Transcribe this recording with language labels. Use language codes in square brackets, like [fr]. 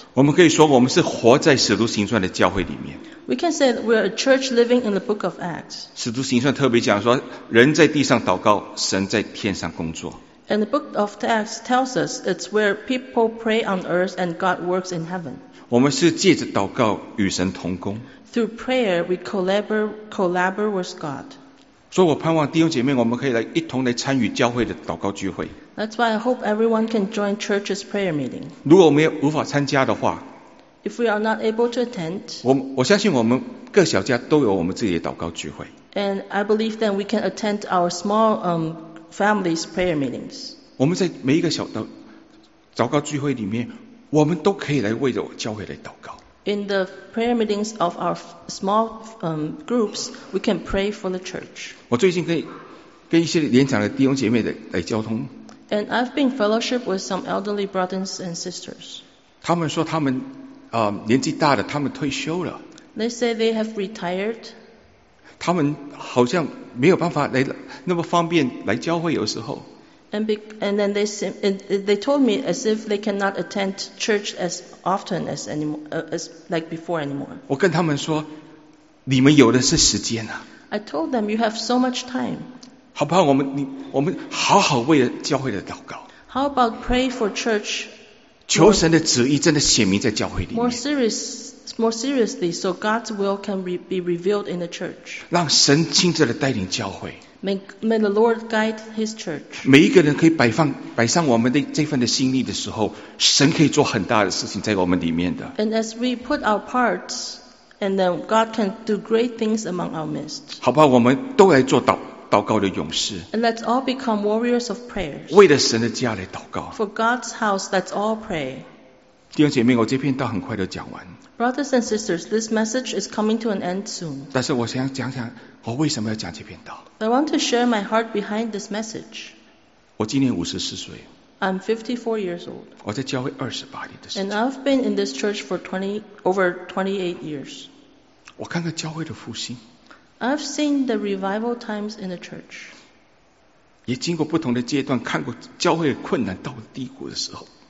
[zh] 我们可以说我们是活在使徒行传的教会里面。 [en] We can say that we are a church living in the book of Acts. [zh] 使徒行传特别讲说，人在地上祷告，神在天上工作。 [en] And the book of Acts tells us it's where people pray on earth and God works in heaven. [zh] 我们是借着祷告与神同工。 [en] Through prayer, we collaborate with God. [zh] 所以我盼望弟兄姐妹，我们可以来一同来参与教会的祷告聚会。 [en] That's why I hope everyone can join church's prayer meeting. [zh] 如果我们无法参加的话， [en] If we are not able to attend, [zh] 我相信我们各小家都有我们自己的祷告聚会。 [en] And I believe that we can attend our small family's prayer meetings. [zh] 我们在每一个小的祷告聚会里面，我们都可以来为着教会来祷告。 [en] In the prayer meetings of our small groups, we can pray for the church. [zh] 我最近跟一些年长的弟兄姐妹来交通。 [en] And I've been fellowship with some elderly brothers and sisters. [zh] 他们说他们年纪大了，他们退休了。 [en] They say they have retired. [zh] 他们好像没有办法来那么方便来教会，有时候。 [en] And then they told me as if they cannot attend church as often as before anymore. [zh] 我跟他们说，你们有的是时间啊。 [en] I told them you have so much time. [zh] 好不好我们好好为了教会的祷告。 [en] How about pray for church? [zh] 求神的旨意真的显明在教会里面。 [en] More seriously, so God's will can be revealed in the church. [zh] 让神亲自的带领教会。 [en] May the Lord guide His church. [zh] 每一个人可以摆上我们的这份的心力的时候，神可以做很大的事情在我们里面的。 [en] And as we put our parts, and then God can do great things among our midst. [zh] 好不好我们都来做祷告的勇士。 [en] And let's all become warriors of prayers. [zh] 为了神的家来祷告。 [en] For God's house, let's all pray. [zh] 弟兄姐妹，我这篇道很快就讲完。 [en] Brothers and sisters, this message is coming to an end soon. [zh] 但是我想讲我为什么要讲这篇道。 [en] I want to share my heart behind this message. [zh] 我今年54岁。 [en] I'm 54 years old. [zh] 我在教会28年的时间。 [en] And I've been in this church for over 28 years. [zh] 我看看教会的复兴。 [en] I've seen the revival times in the church. [zh] 也经过不同的阶段，看过教会的困难到低谷的时候。